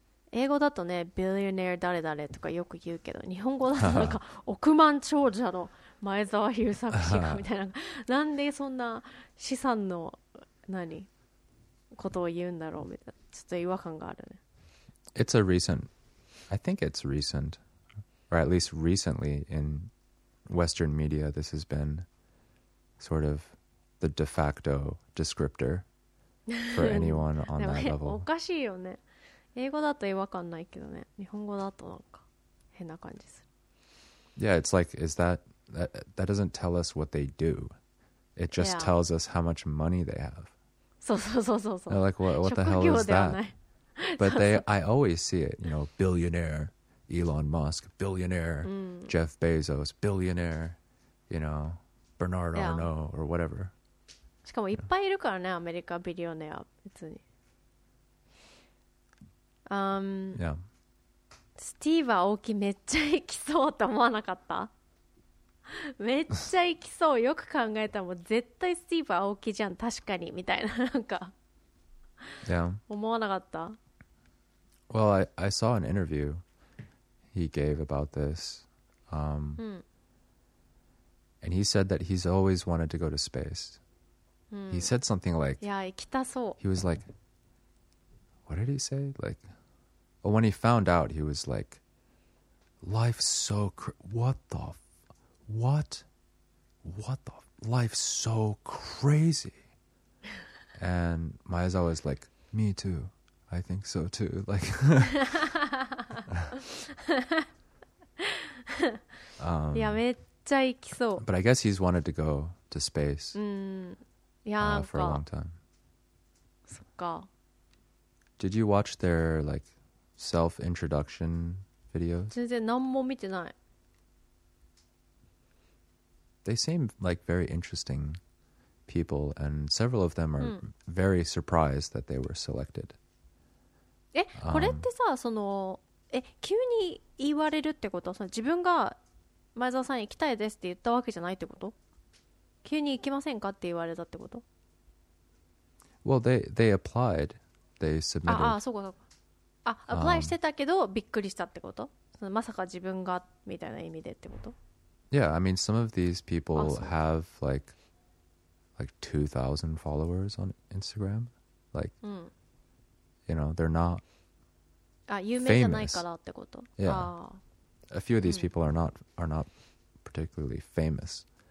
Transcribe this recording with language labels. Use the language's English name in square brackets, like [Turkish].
[Japanese] 英語だとね、ビリオネア誰誰とかよく言うけど、日本語だとなんか億万長者の前澤友作氏がみたいな、なんでそんな資産の何ことを言うんだろうみたいな、ちょっと違和感があるね。 [English] It's a recent, I think it's recent, or at least recently in Western media, this has been sort of the de facto descriptor for anyone on that level. [Japanese] おかしいよね。英語だと違和感ないけどね、日本語だとなんか変な感じする。 [English] Yeah, it's like, is that doesn't tell us what they do. It just tells us how much money they have. [Japanese] そうそうそうそうそう。 [English] They're like, what the hell is that? But I always see it, you know, billionaire Elon Musk, billionaire Jeff Bezos, billionaire, you know, Bernard Arnault or whatever. [Japanese] しかもいっぱいいるからね、アメリカビリオネア別に。スティーブ・アオキめっちゃ行きそうと思わなかった？めっちゃ行きそう。よく考えたらもう絶対スティーブ・アオキじゃん、確かにみたいな、なんか思わなかった？ [English] Well, I saw an interview he gave about this. And he said that he's always wanted to go to space. He said something like, [Japanese] いや、行きたそう。 [English] He was like, what did he say? Like,when he found out, he was like, life's so life's so crazy. And Maezawa was like, me too, I think so too. Like, [Japanese] yeah, めっちゃ行きそう。 [English] But I guess he's wanted to go to space for a long time. [Japanese] そっか。 [English] Did you watch their likeself-introduction videos? [Japanese] 全然何も見てない。 [English] They seem like very interesting people, and several of them are very surprised that they were selected. [Japanese] え、これってさ、その、え、急に言われるってこと？その、自分が前澤さんに行きたいですって言ったわけじゃないってこと？急に行きませんかって言われたってこと？ [English] Well, they applied. They submitted. [Japanese] ああ、そうかそうか。あ、アプライしてたけどびっくりしたってこと？まさか自分がみたいな意味でってこと？ [English] Yeah, I mean, some of these people have like like 2,000 followers on Instagram. Like, you know, they're not famous. Yeah. A few of these people are not particularly famous.